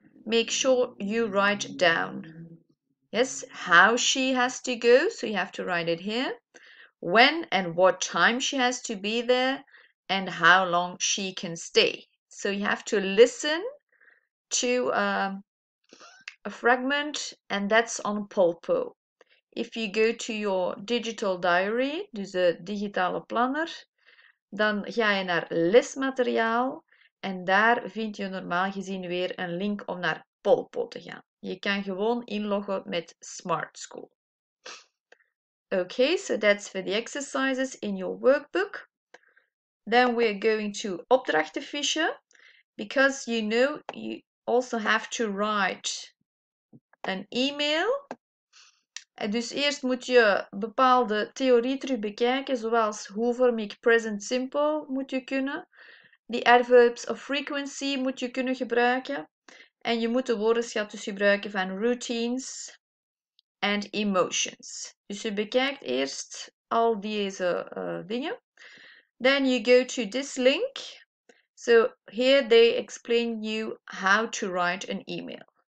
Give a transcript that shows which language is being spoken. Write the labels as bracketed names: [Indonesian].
[English] Make sure you write down, yes, how she has to go. So you have to write it here. When and what time she has to be there, and how long she can stay. So you have to listen to a fragment, and that's on Polpo. If you go to your digital diary, [Dutch] dus de digitale planner, dan ga je naar lesmateriaal en daar vind je normaal gezien weer een link om naar Polpo te gaan. Je kan gewoon inloggen met Smart School. [English] Okay, so that's for the exercises in your workbook. Then we're going to opdrachtenfiche. Because you know, you also have to write an email. [Dutch] En dus eerst moet je bepaalde theorie terug bekijken, zoals hoe vorm ik present simple moet je kunnen. Die [English] adverbs of frequency [Dutch] moet je kunnen gebruiken. En je moet de woordenschat dus gebruiken van routines en emotions. Dus je bekijkt eerst al deze dingen. [English] Then you go to this link. So here they explain you how to write an email.